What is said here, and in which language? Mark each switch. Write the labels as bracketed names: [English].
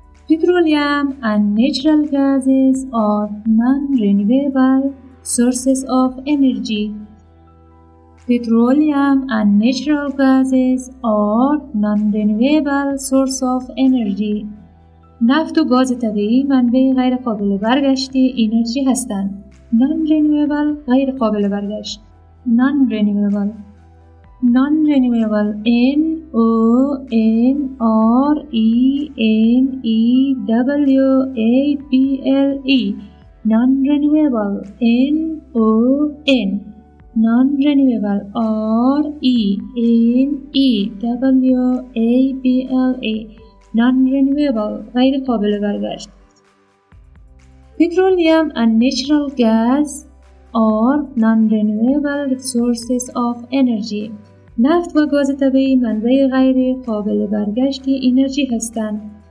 [English] Petroleum and natural gases are non-renewable sources of energy. Petroleum and natural gases are non-renewable source of energy. [Persian] نفت و گاز طبیعی منبع غیر قابل برگشتی انرژی هستند. Non-renewable غیر قابل برگشت. Non-renewable. [English] Non-renewable. N-O-N-R-E-N-E-W-A-B-L-E. Non-renewable. N-O-N. non-renewable, or NEWABLE, non-renewable, غير قابل برگشت. Petroleum and natural gas, or non-renewable resources of energy. [Persian] نفت و گاز طبیعی منبع غیر قابل برگشت انرژی هستند.